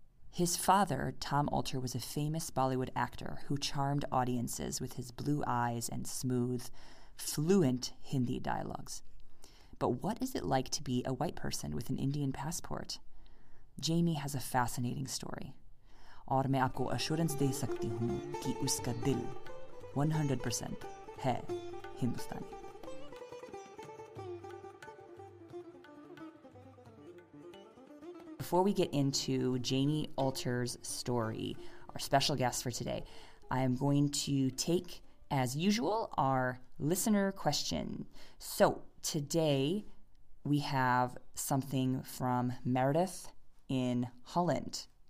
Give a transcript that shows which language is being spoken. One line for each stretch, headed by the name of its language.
English: His father, Tom Alter, was a famous Bollywood actor who charmed audiences with his blue eyes and smooth, fluent Hindi dialogues. But what is it like to be a white person with an Indian passport? Jamie has a fascinating story.
Hindi: और मैं आपको assurance दे सकती who कि उसका दिल 100% है हिंदुस्तानी.
English: Before we get into Jamie Alter's story, our special guest for today, I am going to take, as usual, our listener question. So today we have something from Meredith in Holland.